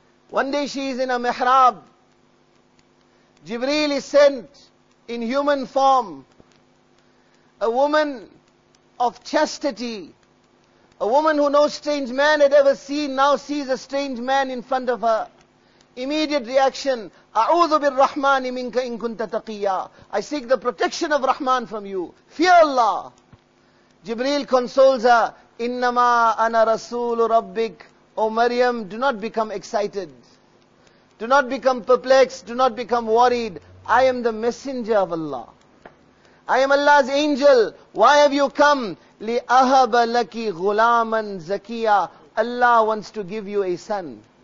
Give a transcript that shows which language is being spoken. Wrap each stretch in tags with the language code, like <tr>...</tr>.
<en>One day she is in a mihrab. Jibreel is sent in human form. A woman of chastity. A woman who no strange man had ever seen now sees a strange man in front of her. Immediate reaction,</en> <ar>أعوذ بالرحمن منك إن كنت تقيا.</ar> <en>I seek the protection of Rahman from you. Fear Allah. Jibreel consoles her,</en> <ar>إنما أنا رسول ربك.</ar> <en>O Maryam, do not become excited. Do not become perplexed. Do not become worried. I am the messenger of Allah. I am Allah's angel. Why have you come?</en> <ar>لِأَهَبَ لَكِ غُلَامًا زَكِيًا.</ar> <en>Allah wants to give you a son.</en>